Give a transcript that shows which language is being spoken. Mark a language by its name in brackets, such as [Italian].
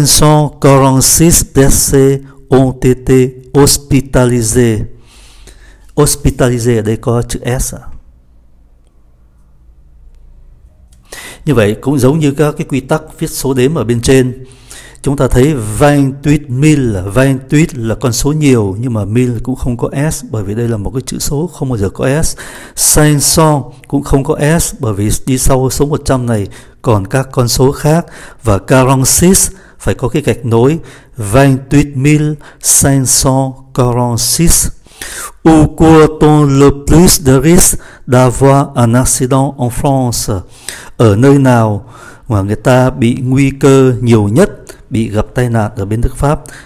[French] 28.546 personnes ont été hospitalisées. [Vietnamese] Hospitalisées, ở đây có chữ S. Như vậy cũng giống như các cái quy tắc viết số đếm ở bên trên. Chúng ta thấy 28.000 là con số nhiều, nhưng mà 1000 cũng không có S, bởi vì đây là một cái chữ số không bao giờ có S. 500 cũng không có S, bởi vì đi sau số 100 này còn các con số khác. Và 46 phải có cái gạch nối. 28.546. [French] Où court-on le plus de risque d'avoir un accident en France? [Vietnamese] Ở nơi nào mà người ta bị nguy cơ nhiều nhất bị gặp tai nạn ở bên nước Pháp?